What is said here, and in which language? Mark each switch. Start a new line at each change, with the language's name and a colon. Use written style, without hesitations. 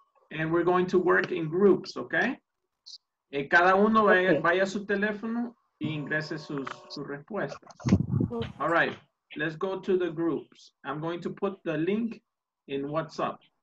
English: And we're going to work in groups, okay?
Spanish: Y cada uno vaya a su teléfono y ingrese sus respuestas.
English: All right, let's go to the groups. I'm going to put the link in WhatsApp.